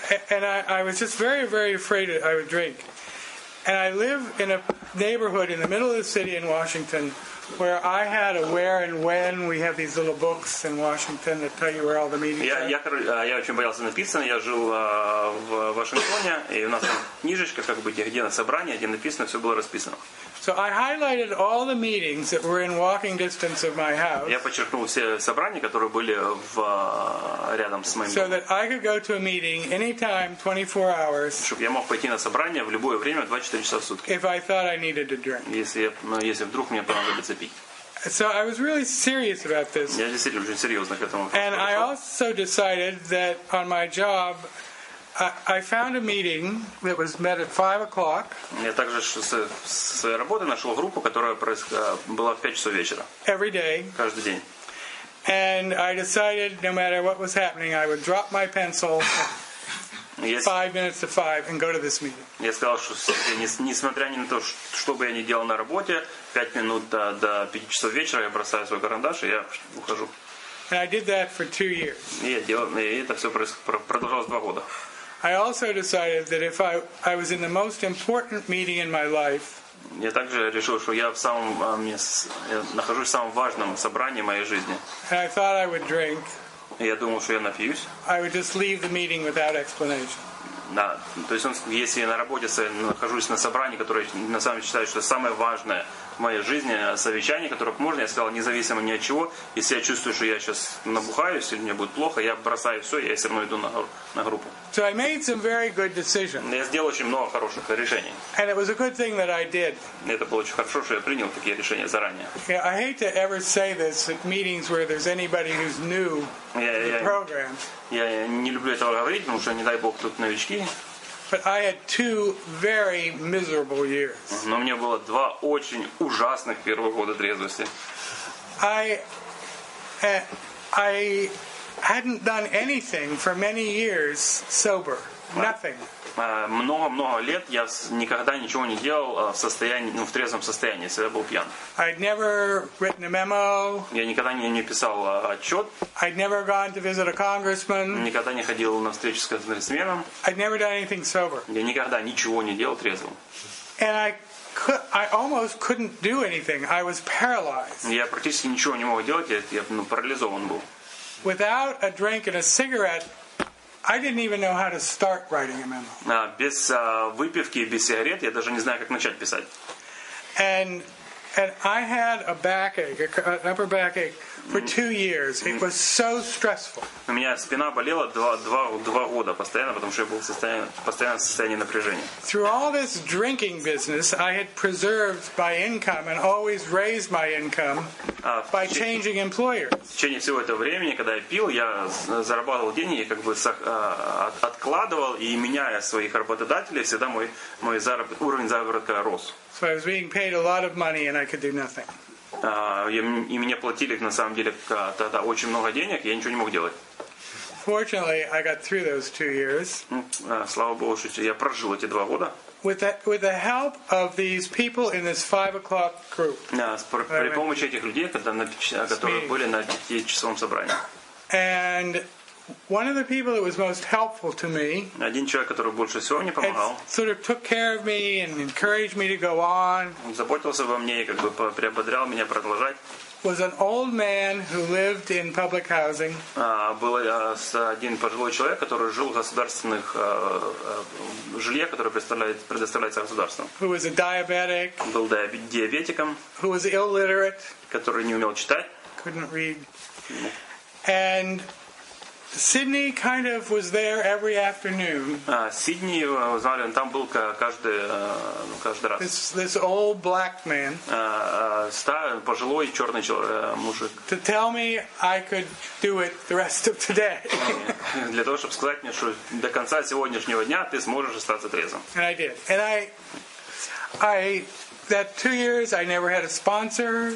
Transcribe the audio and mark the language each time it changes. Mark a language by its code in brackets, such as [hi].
[en] I was just very, very afraid I would drink. And I live in a neighborhood in the middle of the city in Washington where I had a where and when. We have these little books in Washington that tell you where all the meetings are. [ru] Я очень боялся написано. Я жил в Вашингтоне, и у нас там книжечка, как бы, где на собрание, где написано, все было расписано. [en] So I highlighted all the meetings that were in walking distance of my house. [ru] Я подчеркнул все собрания, которые были рядом с моим. [en] So that I could go to a meeting anytime, 24 hours. [ru] Чтобы я мог пойти на собрание в любое время, 24 часа в сутки. [en] If I thought I needed to drink. [ru] Если вдруг мне понадобится пить. [en] So I was really serious about this. [ru] Я действительно очень серьезно к этому. [en] And I also decided that on my job. I found a meeting that was met at 5 o'clock. [ru] Я также с работы нашел группу, которая была в 5 часов вечера. [en] Every day. [ru] Каждый день. [en] And I decided, no matter what was happening, I would drop my pencil 5 minutes to 5 and go to this meeting. [ru] Я сказал, что несмотря ни на то, что бы я ни делал на работе, 5 минут до 5 часов вечера я бросаю свой карандаш и я ухожу. [en] And I did that for 2 years. [ru] И это все продолжалось 2 года. [en] I also decided that if I was in the most important meeting in my life. [ru] Я также решил, что я в самом я нахожусь в самом важном собрании моей жизни. [en] And I thought I would drink. [ru] Я думал, что я напьюсь. [en] I would just leave the meeting without explanation. [ru] Да, то есть если я на работе нахожусь на собрании, которое на самом деле считаю, что самое важное в моей жизни, совещание, которое можно, я сказал, независимо ни от чего, если я чувствую, что я сейчас набухаюсь или мне будет плохо, я бросаю все, я все равно иду на группу. [en] So I made some very good decisions. [ru] Я сделал очень много хороших решений. [en] And it was a good thing that I did. [ru] Это было очень хорошо, что я принял такие решения заранее. [en] Yeah, I hate to ever say this at meetings where there's anybody who's new to the program. [ru] Я не люблю этого говорить, потому что, не дай бог, тут новички. [en] But I had two very miserable years. [ru] Но у меня было два очень ужасных первых года трезвости. [en] I hadn't done anything for many years sober. Nothing. [ru] Много-много лет я никогда ничего не делал в состоянии, ну, в трезвом состоянии, если я был пьян. [en] I'd never written a memo. [ru] Я никогда не писал отчет. [en] I'd never gone to visit a congressman. [ru] Никогда не ходил на встречу с конгрессменом. [en] I'd never done anything sober. [ru] Я никогда ничего не делал трезвым. [en] And I almost couldn't do anything. I was paralyzed. [ru] Я практически ничего не мог делать, я парализован был. [en] Without a drink and a cigarette, I didn't even know how to start writing a memo. [ru] Без выпивки и без сигарет я даже не знаю, как начать писать. [en] And I had a backache, an upper backache for 2 years. It was so stressful. [ru] У меня спина болела два года постоянно, потому что я был в постоянном состоянии напряжения. [en] Through all this drinking business, I had preserved my income and always raised my income by changing employers. [ru] В течение всего этого времени, когда я пил, я зарабатывал деньги, как бы откладывал, и меняя своих работодателей, всегда мой уровень заработка рос. [en] So I was being paid a lot of money and I could do nothing. [ru] И мне платили, на самом деле, тогда очень много денег, я ничего не мог делать. [en] Fortunately, I got through those 2 years. [ru] Слава Богу, что я прожил эти два года. [en] With the help of these people in this 5 o'clock group. [ru] При помощи этих людей, которые были на пятичасовом собрании. [en] And one of the people that was most helpful to me. [ru] Один человек, который больше всего мне помогал. [en] Sort of took care of me and encouraged me to go on. [ru] Заботился обо мне и как бы приободрял меня продолжать. [en] Was an old man who lived in public housing. [ru] Был один пожилой человек, который жил в государственных жилье, которое предоставляется государством. [en] Who was a diabetic. [ru] Был диабетиком. [en] Who was illiterate. [ru] Который не умел читать. [en] Couldn't read. And Sydney kind of was there every afternoon. [ru] Сидни, знали, он там был каждый раз. [en] This old black man. [ru] Старый, пожилой, черный мужик. [en] To tell me I could do it the rest of today. [ru] Для того, чтобы сказать мне, что до конца сегодняшнего дня ты сможешь остаться трезвым. [en] And I did. And I that 2 years I never had a sponsor.